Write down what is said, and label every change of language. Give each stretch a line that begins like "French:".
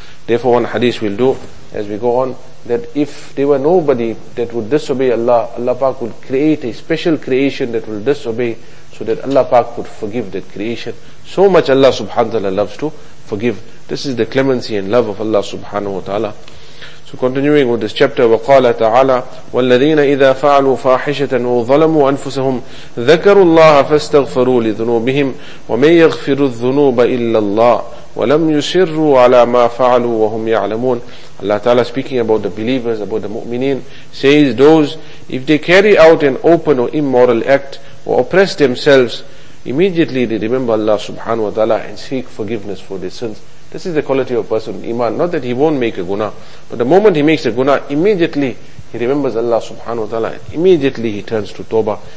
English: Therefore one hadith will do as we go on, that if there were nobody that would disobey Allah, Allah Pak would create a special creation that will disobey so that Allah Pak could forgive that creation. So much Allah subhanahu wa ta'ala loves to forgive. This is the clemency and love of Allah subhanahu wa ta'ala. So continuing with this chapter,
Arabic: وَقَالَ تَعَالَى وَالَّذِينَ إِذَا فَعَلُوا فَاحِشَةً وَظَلَمُوا أَنفُسَهُمْ ذَكَرُوا اللَّهَ فَاسْتَغْفَرُوا لِذُنُوبِهِمْ وَمَنْ يَغْفِرُ الذُّنُوبَ إِلَّا اللَّهُ وَلَمْ يُسِرُّوا عَلَى مَا فَعَلُوا وَهُمْ يَعْلَمُونَ.
English: Allah Ta'ala speaking about the believers, about the mu'mineen, says those, if they carry out an open or immoral act or oppress themselves, immediately they remember Allah subhanahu wa ta'ala and seek forgiveness for their sins. This is the quality of a person, iman. Not that he won't make a guna, but the moment he makes a guna, immediately he remembers Allah subhanahu wa ta'ala, and immediately he turns to tawbah.